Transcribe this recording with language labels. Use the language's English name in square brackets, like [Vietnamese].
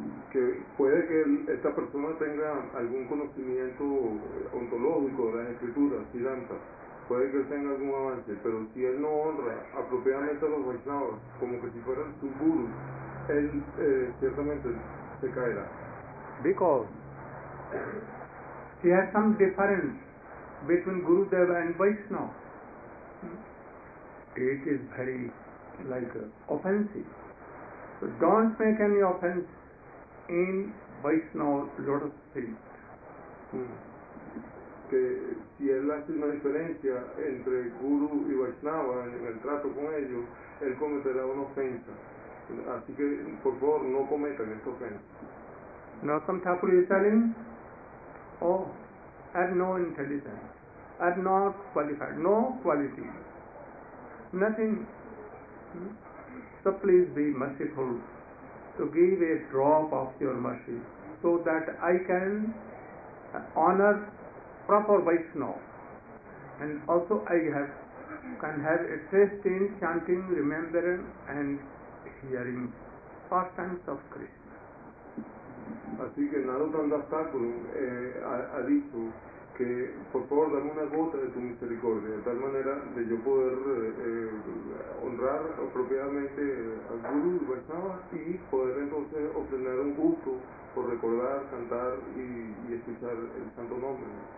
[Spanish] Que puede que esta persona tenga algún conocimiento ontológico de las escrituras, Siddhanta, puede que él tenga algún avance, pero si él no honra apropiadamente a los Vaishnavas, como que si fueran su Guru, él ciertamente se caerá. [English] Because he has some difference between Gurudev and Vaishnava. It is very like offensive. So don't make any offense in Vaishnava lotus feet. [Spanish] Que si él hace una diferencia entre Guru y Vaishnava en el trato con ellos, él cometerá una ofensa. Así que, por favor, no cometan esta ofensa. [English] Now some Thakur is telling, oh, have no intelligence, are not qualified, no quality, nothing. So please be merciful to give a drop of your mercy so that I can honor proper Vaishnava. And also I have can have a taste in chanting, remembering and hearing pastimes of Krishna. [Spanish] Así que Narottam Das Thakur ha dicho que por favor dame una gota de tu misericordia de tal manera de yo poder honrar apropiadamente al Guru y Vaishnava y poder entonces obtener un gusto por recordar, cantar y escuchar el santo nombre.